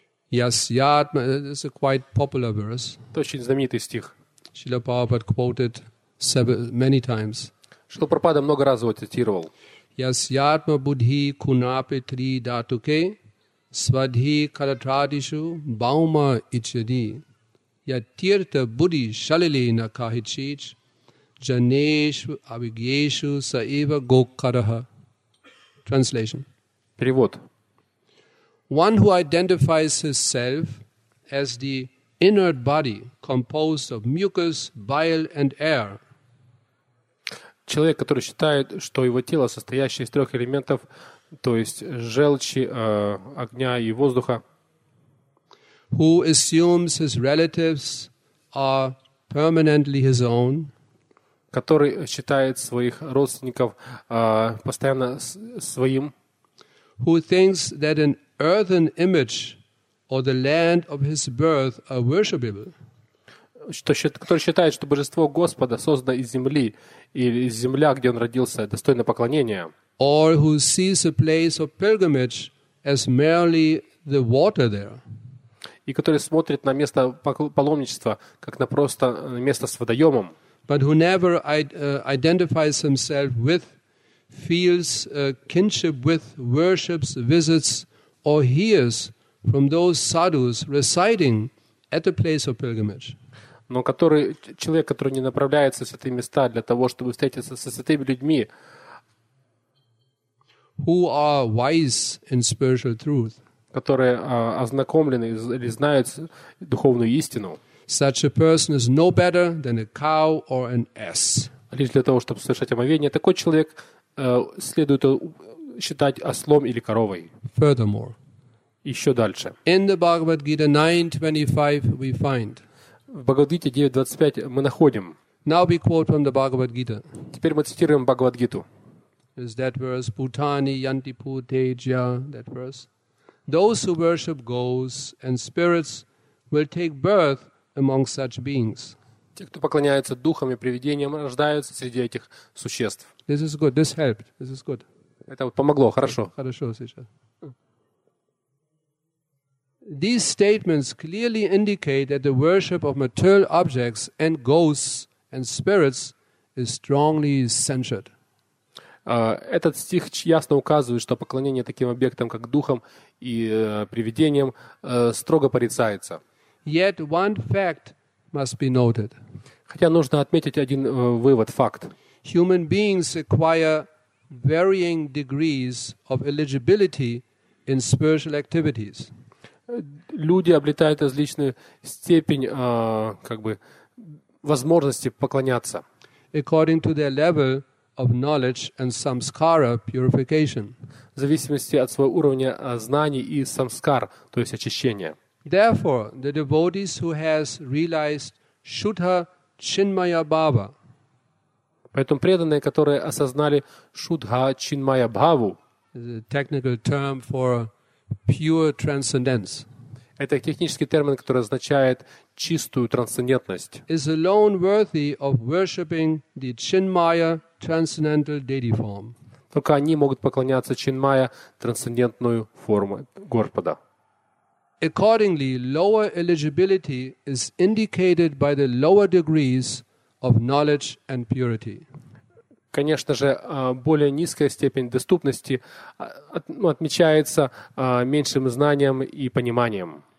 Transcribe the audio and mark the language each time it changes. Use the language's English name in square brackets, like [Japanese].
[English] Yes, Yatma, this is a quite popular verse. [Russian] Это очень знаменитый стих. [English] Шрила Прабхупада quoted many times. [Russian] Шрила Прабхупада много раз его цитировал. [English] Yes, [Sanskrit] Yatma Buddhi Kunapi Tri Datuke. Svadhi kalatradishu bauma ichadi yatirta buddhi shalili na kahichich janeshu avigyeshu saiva gokaraha. [English] Translation. [Russian] Перевод. [English] One who identifies his self as the inert body composed of mucus, bile and air. [Russian] Человек, который считает, что его тело, состоящее из трех элементов, то есть желчи, огня и воздуха. [English] Who assumes his relatives are permanently his own. [Russian] Который считает своих родственников постоянно своим. [English] Who thinks that an earthen image or the land of his birth are worshipable. [Russian] Который считает, что божество Господа создано из земли, и земля, где он родился, достойна поклонения. [English] Or who sees a place of pilgrimage as merely the water there. [Russian] И который смотрит на место паломничества как на просто место с водоемом. [English] But who never identifies himself with, feels kinship with, worships, visits, or hears from those sadhus residing at the place of pilgrimage. [Russian] Но который человек, который не направляется в святые места для того, чтобы встретиться со святыми людьми. [English] Who are wise in spiritual truth? [Russian] Которые ознакомлены или знают духовную истину. [English] Such a person is no better than a cow or an ass. [Russian] Лишь для того, чтобы совершать омовение, такой человек следует считать ослом или коровой. [English] Furthermore, [Russian] еще дальше. [English] In the Bhagavad Gita 9:25 we find. [Russian] В Бхагавад Гите 9:25 мы находим. [English] Now we quote from the Bhagavad Gita. [Russian] Теперь мы цитируем Бхагавад Гиту. [English] Is that verse [Sanskrit] Bhutani Yanti Putejya, [English] that verse? Those who worship ghosts and spirits will take birth among such beings. [Russian] Те, кто поклоняются духам и привидениям, рождаются среди этих существ. [English] This is good. This helped. This is good. [Russian] Это вот помогло. Хорошо. Хорошо сейчас. [English] These statements clearly indicate that the worship of material objects and ghosts and spirits is strongly censured. [Russian] Этот стих ясно указывает, что поклонение таким объектам, как духам и привидениям, строго порицается. [English] Yet one fact must be noted. [Russian] Хотя нужно отметить один вывод, факт. [English] Human beings acquire varying degrees of eligibility in spiritual activities. [Russian] Люди обретают различную степень как бы возможности поклоняться. [English] According to their level of knowledge and samskara purification. [Russian] В зависимости от своего уровня знаний и самскар, то есть очищения. [English] Therefore, the devotees who has realized Shuddha Chinmaya Bhava. [Russian] Поэтому преданные, которые осознали шудха чинмая бхаву, [English] technical term for pure transcendence. [Russian] Это технический термин, который означает чистую трансцендентность. [English] Is alone worthy of worshiping the chinmaya transcendental deity form. [Russian] Только они могут поклоняться чинмая трансцендентную форму Господа. [English] Accordingly, lower eligibility is indicated by the lower degrees of knowledge and purity. [Russian] Конечно же, более низкая степень доступности отмечается меньшим знанием и пониманием.